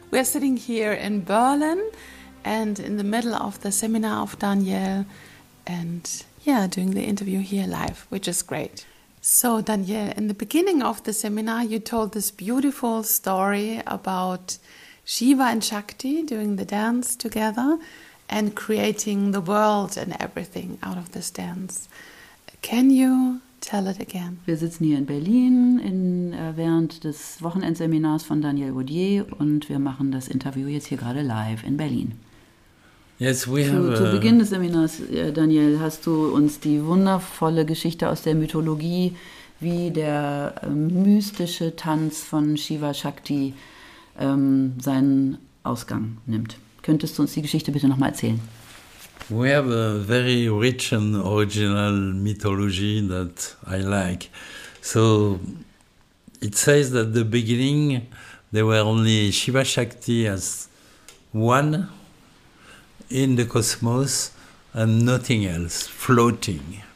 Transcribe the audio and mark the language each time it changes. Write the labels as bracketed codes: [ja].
[en] We are sitting here in Berlin and in the middle of the seminar of Daniel and doing the interview here live, which is great. So Daniel, in the beginning of the seminar, you told this beautiful story about Shiva and Shakti doing the dance together and creating the world and everything out of this dance. Can you tell it again? [de] Wir sitzen hier in Berlin während des Wochenendseminars von Daniel Audier und wir machen das Interview jetzt hier gerade live in Berlin. [en] Yes, we have [de] zu Beginn des Seminars, Daniel, hast du uns die wundervolle Geschichte aus der Mythologie, wie der mystische Tanz von Shiva Shakti seinen Ausgang nimmt. Könntest du uns die Geschichte bitte nochmal erzählen? [en] We have a very rich and original mythology that I like. So it says that the beginning there were only Shiva Shakti as one in the cosmos and nothing else, floating.